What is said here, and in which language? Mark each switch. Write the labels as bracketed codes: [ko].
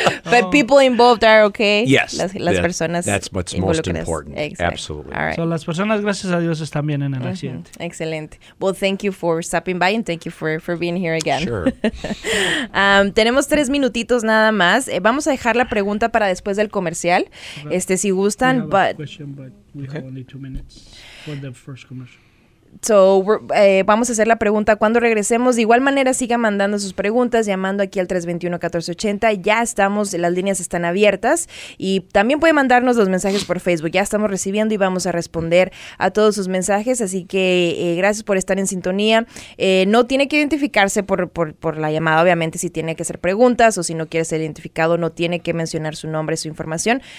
[en] But people involved are okay yes [es] las [en] that, [es] personas [en] that's what's most important exactly. absolutely All right. [es] So las personas gracias a Dios están bien en el accidente mm-hmm. [en] excellent well thank you for stopping by and thank you for being here again sure [es] tenemos tres minutitos nada más. Vamos a dejar la pregunta para después del comercial. Si gustan, [en] we have a question, but we okay. have only 2 minutes for the first commercial. [es] So, vamos a hacer la pregunta cuando regresemos. De igual manera, siga mandando sus preguntas, llamando aquí al 321-1480. Ya estamos, las líneas están abiertas. Y también puede mandarnos los mensajes por Facebook. Ya estamos recibiendo y vamos a responder a todos sus mensajes. Así que gracias por estar en sintonía. No tiene que identificarse por la llamada, obviamente, si tiene que hacer preguntas o si no quiere ser identificado, no tiene que mencionar su nombre, su información.